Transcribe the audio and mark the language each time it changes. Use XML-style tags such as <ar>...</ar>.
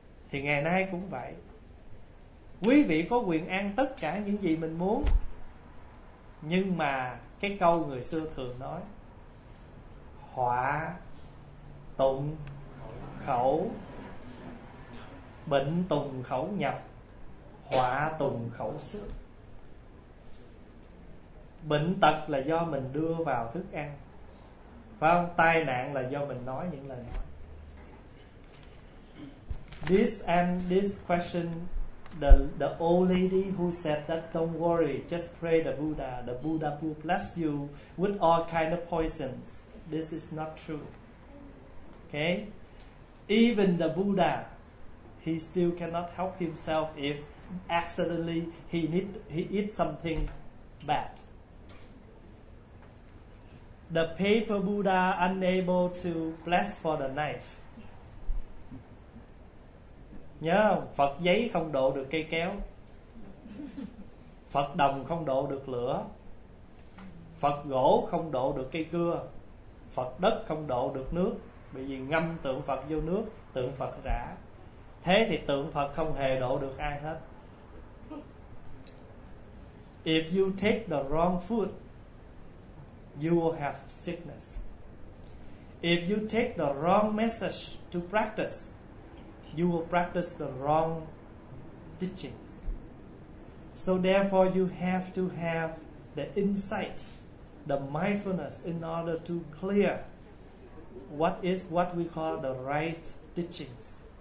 <vi>Thì ngày nay cũng vậy, quý vị có quyền ăn tất cả những gì mình muốn, nhưng mà cái câu người xưa thường nói: họa tụng khẩu, bệnh tùng khẩu nhập, họa tùng khẩu xuất. Bệnh tật là do mình đưa vào thức ăn, phải không? Tai nạn là do mình nói những lời nói.</vi> <en>This question, the old lady who said that don't worry, just pray the Buddha will bless you with all kind of poisons. This is not true. Okay? Even the Buddha, he still cannot help himself if accidentally he eats something bad. The paper Buddha unable to bless for the knife.</en> <vi>Nhớ không? Phật giấy không độ được cây kéo. Phật đồng không độ được lửa. Phật gỗ không độ được cây cưa. Phật đất không độ được nước, bởi vì ngâm tượng Phật vô nước, tượng Phật rã. Thế thì tượng Phật không hề độ được ai hết.</vi> <en>If you take the wrong food, you will have sickness. If you take the wrong message to practice, you will practice the wrong teachings. So therefore you have to have the insight, the mindfulness, in order to clear what is what we call the right teachings.</en>